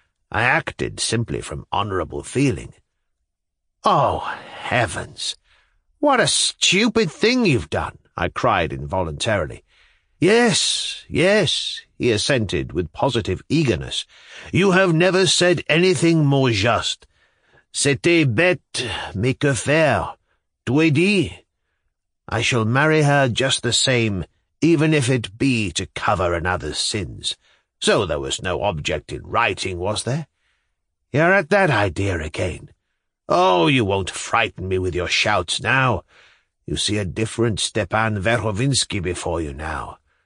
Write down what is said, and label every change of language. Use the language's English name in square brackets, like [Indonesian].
[English] I acted simply from honourable feeling. Oh, heavens! What a stupid thing you've done! I cried involuntarily. Yes, yes, he assented with positive eagerness. You have never said anything more just. [French] C'était bête, mais que faire? Tu es dit? [English] I shall marry her just the same, even if it be to cover another's sins. So there was no object in writing, was there? You're at that idea again. Oh, you won't frighten me with your shouts now. You see a different Stepan Verhovinsky before you now.